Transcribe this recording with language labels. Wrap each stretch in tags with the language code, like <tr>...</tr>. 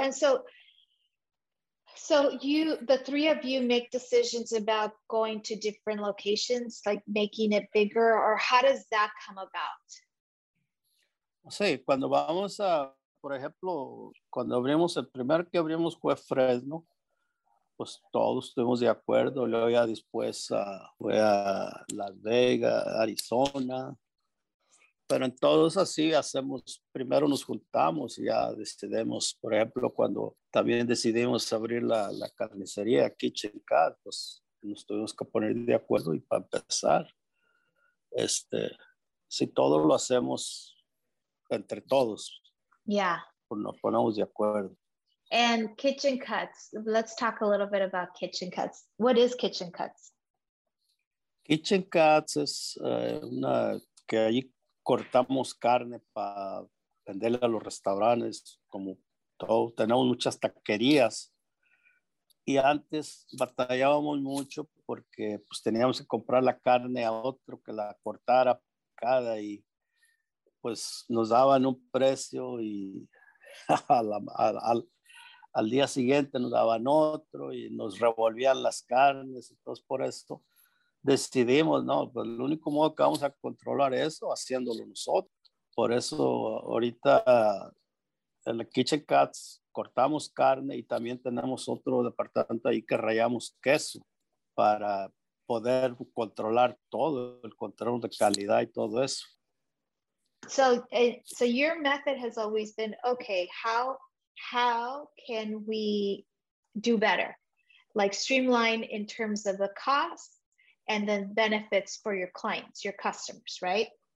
<en>And so you, the three of you, make decisions about going to different locations, like making it bigger, or how does that come about?</en> <es>Sí, cuando vamos a, por ejemplo, cuando abrimos, el primer que abrimos fue Fresno, pues todos estuvimos de acuerdo. Luego ya después fue a Las Vegas, Arizona. Pero en todos así hacemos, primero nos juntamos y ya decidimos, por ejemplo, cuando también decidimos abrir la carnicería Kitchen Cat, pues nos tuvimos que poner de acuerdo y para empezar, si todo lo hacemos entre todos.</es> <en>Yeah.</en> <es>Pues nos ponemos de acuerdo.</es> <en>And Kitchen Cuts, let's talk a little bit about Kitchen Cuts. What is Kitchen Cuts?</en> <es>Kitchen Cuts es una que allí cortamos carne para venderle a los restaurantes, como todo. Tenemos muchas taquerías y antes batallábamos mucho porque pues teníamos que comprar la carne a otro que la cortara picada y pues nos daban un precio y al día siguiente nos daban otro y nos revolvían las carnes. Entonces por esto decidimos, no, pues el único modo que vamos a controlar eso haciéndolo nosotros. Por eso ahorita en la Kitchen Cuts cortamos carne y también tenemos otro departamento ahí que rayamos queso para poder controlar todo, el control de calidad y todo eso.</es> <en>So your method has always been, okay, how can we do better? Like streamline in terms of the cost, and then benefits for your clients, your customers, right?</en>